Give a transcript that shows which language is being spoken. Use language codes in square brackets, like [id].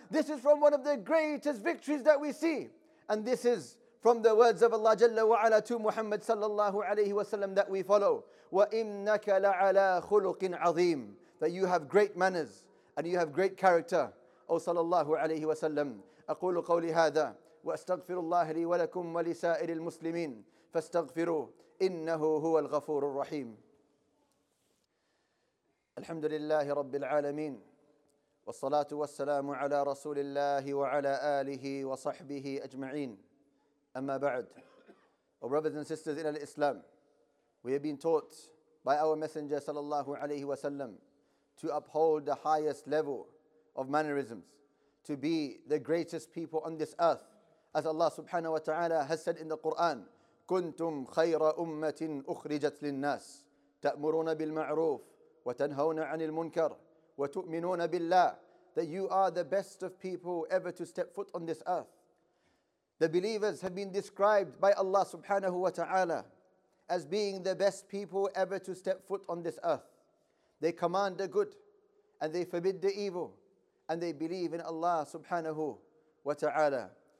[en] This is from one of the greatest victories that we see. And this is from the words of Allah Jalla wa Ala to Muhammad sallallahu alayhi wa sallam that we follow. [ar] وَإِنَّكَ لَعَلَىٰ خُلُقٍ عَظِيمٍ. [en] That you have great manners and you have great character. O sallallahu alayhi wa sallam. [ar] أقول قولي هذا وأستغفر الله لي ولكم ولسائر المسلمين فاستغفروا إنه هو الغفور الرحيم. الحمد لله رب العالمين والصلاة والسلام على رسول الله وعلى آله وصحبه أجمعين. أما بعد, [en] our brothers and sisters in Islam, we have been taught by our messenger sallallahu alayhi wa sallam to uphold the highest level of mannerisms, to be the greatest people on this earth. As Allah subhanahu wa ta'ala has said in the Quran, [ar] كنتم خير أمة أخرجت للناس تأمرون بالمعروف وَتَنْهَوْنَ عَنِ الْمُنْكَرِ وَتُؤْمِنُونَ بِاللَّهِ. [en] That you are the best of people ever to step foot on this earth. The believers have been described by Allah subhanahu wa ta'ala as being the best people ever to step foot on this earth. They command the good and they forbid the evil, and they believe in Allah subhanahu wa ta'ala.